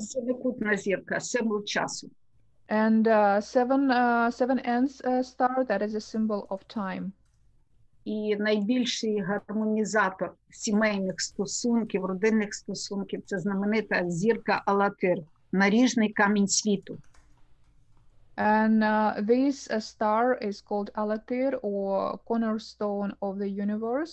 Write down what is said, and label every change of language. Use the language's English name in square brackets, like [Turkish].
[Ukrainian] Семикутна зірка, символ часу. [English] And seven ends star, that is a symbol of time. [Ukrainian] І найбільший гармонізатор сімейних стосунків, родинних стосунків, це знаменита зірка Алатир, наріжний камінь світу. [English] And this star is called Alatir, or cornerstone of the universe.